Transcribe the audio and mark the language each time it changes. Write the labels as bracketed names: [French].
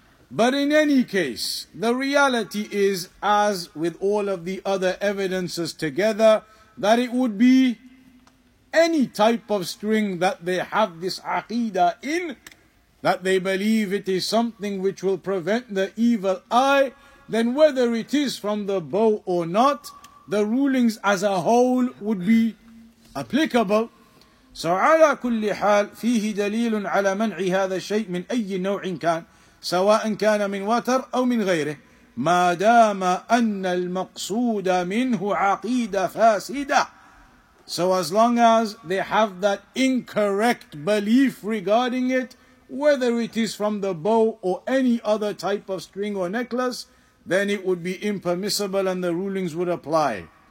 [English] But in any case, the reality is, as with all of the other evidences together, that it would be any type of string that they have this aqidah in, that they believe it is something which will prevent the evil eye, then whether it is from the bow or not, the rulings as a whole would be applicable. [Arabic] So, على كل حال فيه دليل على منع هذا الشيء من أي نوع كان سواء كان من وتر أو من غيره ما دام أن المقصود منه عقيدة فاسدة. [English] So as long as they have that incorrect belief regarding it, whether it is from the bow or any other type of string or necklace, then it would be impermissible and the rulings would apply.